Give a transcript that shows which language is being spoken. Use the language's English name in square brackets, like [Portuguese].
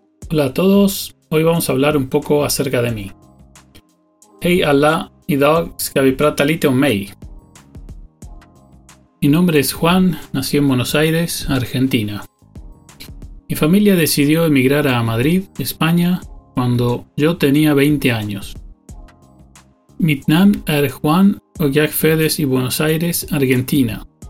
[Spanish] Hola a todos, hoy vamos a hablar un poco acerca de mí. [Swedish] Hey alla, idag ska vi prata lite om mig. [Spanish] Mi nombre es Juan, nací en Buenos Aires, Argentina. Mi familia decidió emigrar a Madrid, España, cuando yo tenía 20 años. Mi nombre es Juan, y yo fedes en Buenos Aires, Argentina.